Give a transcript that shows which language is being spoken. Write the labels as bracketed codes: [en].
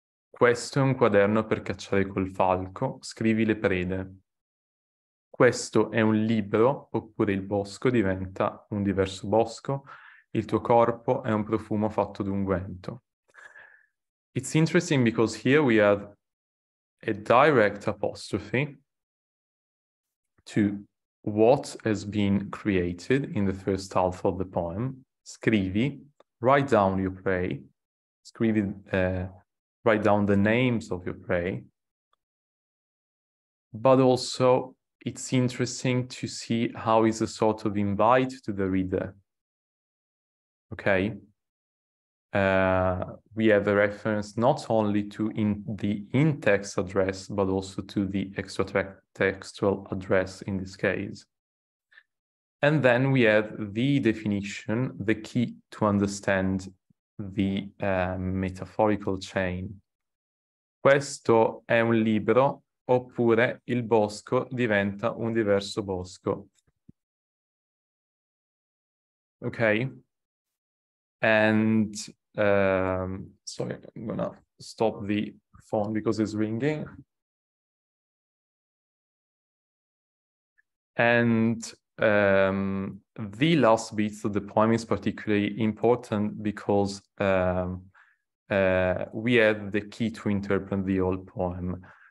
[it] Questo è un quaderno per cacciare col falco, scrivi le prede. Questo è un libro, oppure il bosco diventa un diverso bosco. Il tuo corpo è un profumo fatto d'unguento. [en] It's interesting because here we have a direct apostrophe to what has been created in the first half of the poem. Scrivi, write down your prey, scrivi, write down the names of your prey. But also it's interesting to see how is a sort of invite to the reader, okay? We have a reference not only to the in-text address, but also to the extra-textual address in this case. And then we have the definition, the key to understand the metaphorical chain. [it] Questo è un libro, oppure il bosco diventa un diverso bosco. [en] Okay. And sorry, I'm gonna stop the phone because it's ringing. And the last bits of the poem is particularly important because we have the key to interpret the whole poem.